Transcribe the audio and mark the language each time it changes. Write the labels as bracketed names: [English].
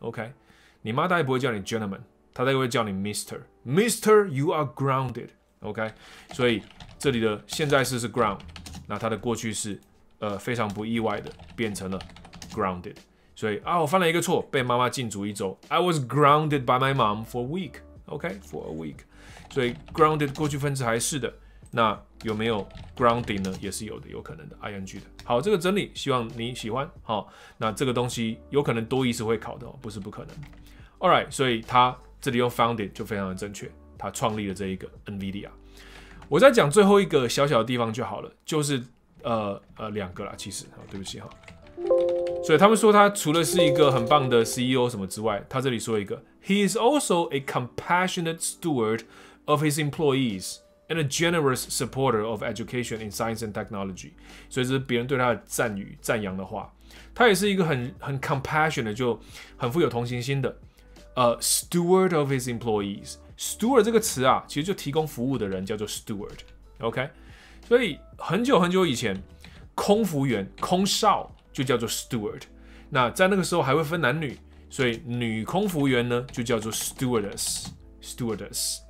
[Chinese] OK， 你妈大概不会叫你 gentleman， 她大概会叫你 Mr. [English] Mr. You are grounded. [Chinese] OK， 所以这里的现在式是 ground， 那它的过去式，非常不意外的变成了 grounded。所以啊，我犯了一个错，被妈妈禁足一周。 [English] I was grounded by my mom for a week. OK， for a week。 [Chinese] 所以 grounded 过去分词还是的，那有没有 grounding 呢？也是有的，有可能的 ，ing 的。好，这个整理希望你喜欢。好，那这个东西有可能多义是会考的，不是不可能。 All right， 所以它这里用 founded 就非常的正确。他创立了这一个 NVIDIA。我再讲最后一个小小的地方就好了，就是两个啦，其实啊，对不起哈。所以他们说他除了是一个很棒的 CEO 什么之外，他这里说一个 [English] ，He is also a compassionate steward of his employees and a generous supporter of education in science and technology。 [Chinese] 所以这是别人对他的赞誉、赞扬的话。他也是一个很 compassionate， 就很富有同情心的。 [English] Steward of his employees。 [Chinese] Steward 这个词啊，其实就提供服务的人叫做 steward。 OK， 所以很久很久以前，空服员、空少。就叫做 steward， 那在那个时候还会分男女，所以女空服员呢就叫做 stewardess，stewardess。